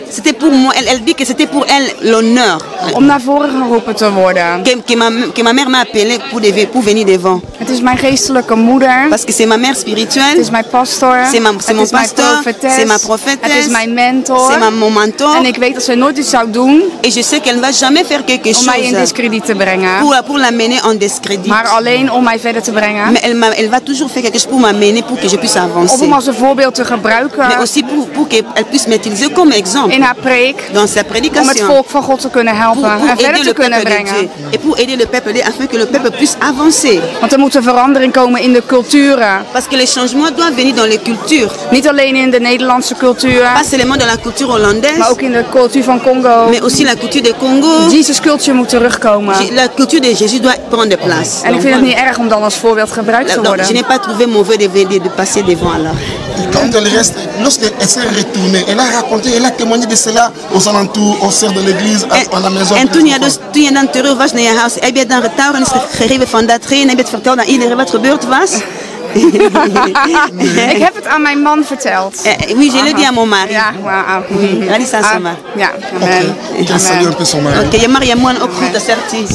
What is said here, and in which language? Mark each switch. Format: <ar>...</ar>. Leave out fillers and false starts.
<fr>C'était pour moi, elle dit que c'était pour elle l'honneur.</fr> <nl>Om naar voren geroepen te worden.</nl> <fr>Que ma mère m'a appelé pour venir devant.</fr> <nl>Het is mijn geestelijke moeder.</nl> <fr>Parce que c'est ma mère spirituelle.</fr> <nl>Het is mijn pastor.</nl> <fr>C'est mon pasteur. C'est ma prophétesse.</fr> <nl>Het is mijn mentor.</nl> <fr>C'est mon mentor.</fr> <nl>En ik weet dat ze nooit iets zou doen.</nl> <fr>Et je sais qu'elle ne va jamais faire quelque chose.</fr> <nl>Om mij in discrédit te brengen.</nl> <fr>Pour l'amener en discrédit.</fr> <nl>Maar alleen om mij verder te brengen.</nl> <fr>Mais elle va toujours faire quelque chose pour m'amener pour que je puisse avancer.</fr> <nl>als een voorbeeld te gebruiken.</nl> <fr>Mais aussi pour qu'elle puisse m'utiliser comme exemple.</fr> <nl>In haar preek.</nl> <fr>Dans sa prédication.</fr> <nl>Om het volk van God te kunnen helpen en verder te kunnen brengen.</nl> <fr>Et pour aider le peuple afin que le peuple puisse avancer.</fr> <nl>Want er moet een verandering komen in de culturen.</nl> <fr>Parce que les changements doivent venir dans les cultures.</fr> <nl>Niet alleen in de Nederlandse cultuur.</nl> <fr>Pas seulement dans la culture hollandaise.</fr> <nl>Maar ook in de cultuur van Congo.</nl> <fr>Mais aussi la culture de Congo.</fr> <nl>Jesus culture moet terugkomen.</nl> <fr>La culture de Jésus doit prendre place.</fr> <nl>En ik vind het niet erg om dan als voorbeeld gebruikt te worden.</nl> <fr>Je n'ai pas trouvé mauvais de passer devant alors. Quand elle reste, lorsqu'elle s'est retournée, elle a raconté, elle a témoigné de cela aux alentours, aux sœurs de l'église, à la maison.</fr> <nl>En toen je dus toen je dan terug was naar je huis, heb je dan getuigen gegeven van dat erin, heb je het verteld aan iedereen wat gebeurd was? Nee. Ik heb het aan mijn man verteld.</nl> <fr>Oui, je l'ai dit à mon mari.</fr> <nl>Ja, Radis aan zijn man. Ja, amen. Ik ga</nl> <fr>saluer un peu son mari.</fr> <nl>Oké, je mag je man ook goed assertief.</nl>